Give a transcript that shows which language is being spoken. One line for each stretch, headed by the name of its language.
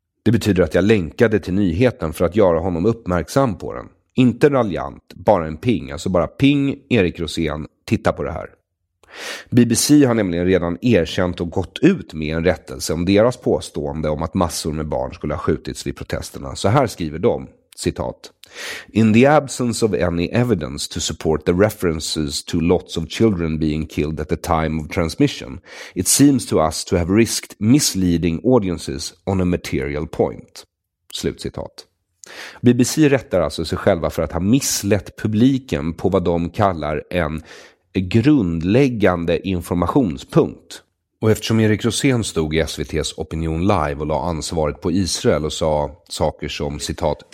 Swedish: Det betyder att jag länkade till nyheten för att göra honom uppmärksam på den. Inte raljant, bara en ping. Alltså bara ping, Erik Rosén, titta på det här. BBC har nämligen redan erkänt och gått ut med en rättelse om deras påstående om att massor med barn skulle ha skjutits vid protesterna. Så här skriver de, citat.
English: In the absence of any evidence to support the references to lots of children being killed at the time of transmission, it seems to us to have risked misleading audiences on a material point.
Swedish: Slutcitat. BBC rättar alltså sig själva för att ha misslett publiken på vad de kallar en grundläggande informationspunkt. Och eftersom Erik Rosén stod i SVTs Opinion Live och la ansvaret på Israel och sa saker som, citat,